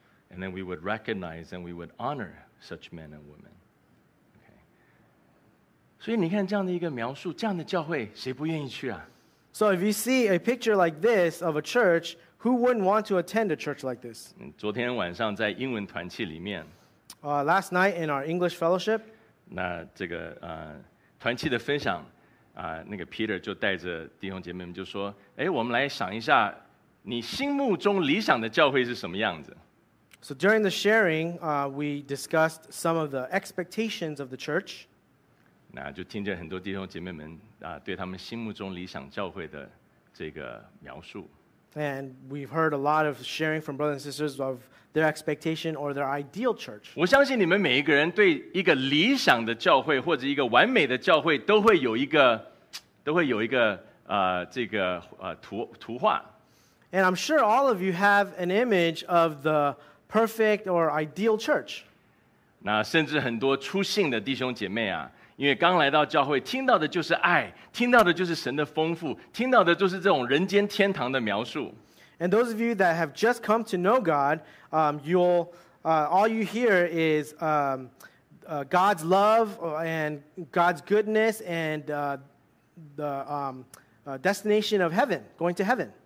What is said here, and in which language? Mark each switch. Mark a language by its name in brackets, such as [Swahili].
[English] And then we would recognize and we would honor such men and women. Okay. [Chinese] 所以你看这样的一个描述，这样的教会谁不愿意去啊？ [English] So if you see a picture like this of a church, who wouldn't want to attend a church like this? [Chinese] 昨天晚上在英文团契里面， [English] last night in our English fellowship, [Chinese] 那这个 团契的分享， 那个Peter就带着弟兄姐妹们就说， 诶，我们来想一下， 你心目中理想的教会是什么样子？ [English] So during the sharing, we discussed some of the expectations of the church. [Chinese] 那就听见很多弟兄姐妹们， 对他们心目中理想教会的这个描述。 [English] And we've heard a lot of sharing from brothers and sisters of their expectation or their ideal church. [Chinese] 我相信你们每一个人对一个理想的教会或者一个完美的教会都会有一个图画。 [English] And I'm sure all of you have an image of the perfect or ideal church. [Chinese] 那甚至很多初信的弟兄姐妹啊， 因为刚来到教会，听到的就是爱，听到的就是神的丰富，听到的就是这种人间天堂的描述。 [English] And those of you that have just come to know God, all you hear is God's love and God's goodness and the destination of heaven, going to heaven.